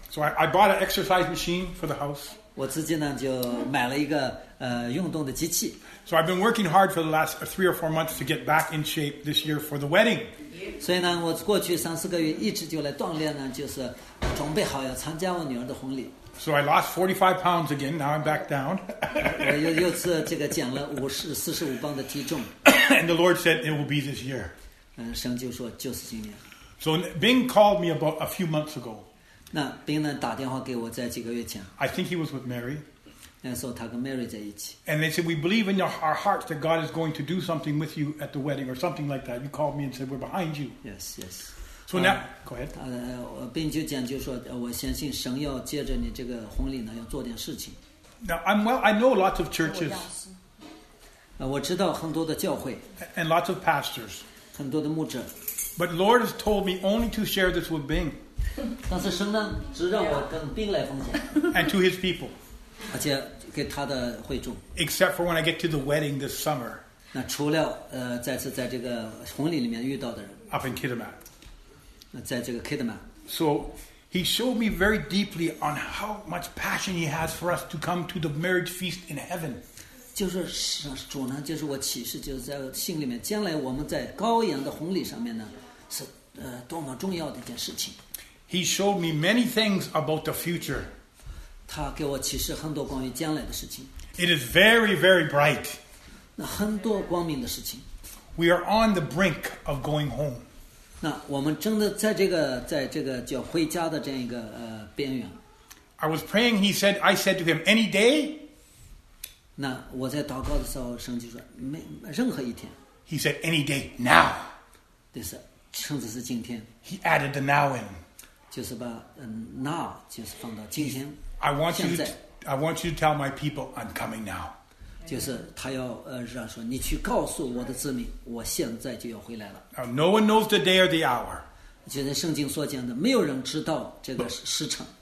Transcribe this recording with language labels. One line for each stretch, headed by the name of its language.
English: So I bought an exercise machine for the house.
Chinese: 我自己呢就买了一个运动的机器。
English: So I've been working hard for the last three or four months to get back in shape this year for the wedding.
Chinese: 所以呢，我过去三四个月一直就来锻炼呢，就是准备好要参加我女儿的婚礼。
English: So I lost 45 pounds again. Now I'm back down.
Chinese: 又是这个减了45磅的体重。
English: And the Lord said it will be this year.
Chinese: 神就说就是今年。
English: So Bing called me about a few months ago.
Chinese: 那 Bing 呢打电话给我在几个月前。
English: I think he was with Mary.
Chinese: 那时候他跟 Mary 在一起。
English: And they said we believe in our hearts that God is going to do something with you at the wedding or something like that. You called me and said we're behind you. Yes, yes. So now, go ahead.
Chinese: 并就讲就说，我相信神要借着你这个婚礼呢，要做点事情。
English: Now I'm well. I know lots of churches.
Chinese: 我知道很多的教会。
English: And lots of pastors.
Chinese: 很多的牧者。
English: But Lord has told me only to share this with Bing.
Chinese: 但是神呢，只让我跟 Bing 来分享。
English: And to his people.
Chinese: 而且给他的会众。
English: Except for when I get to the wedding this summer.
Chinese: 那除了再次在这个婚礼里面遇到的人。
English: Up in Kitimat.
Chinese: 在这个 Kidman.
English: So he showed me very deeply on how much passion he has for us to come to the marriage feast in heaven.
Chinese: 就是主呢，就是我启示，就是在信里面，将来我们在羔羊的婚礼上面呢，是多么重要的一件事情。
English: He showed me many things about the future.
Chinese: 他给我启示很多关于将来的事情。
English: It is very, very bright.
Chinese: 那很多光明的事情。
English: We are on the brink of going home.
Chinese: 那我们真的在这个，在这个叫回家的这样一个边缘。
English: I was praying. He said, "I said to him, any day."
Chinese: 那我在祷告的时候，神就说，没任何一天。
English: He said, "Any day now."
Chinese: 对，是，甚至是今天。
English: He added the now in.
Chinese: 就是把now 就是放到今天。
English: I want you to tell my people, I'm coming now.
Chinese: 就是他要让说，你去告诉我的子民，我现在就要回来了。
English: No one knows the day or the hour.
Chinese: 就在圣经所讲的，没有人知道这个时辰。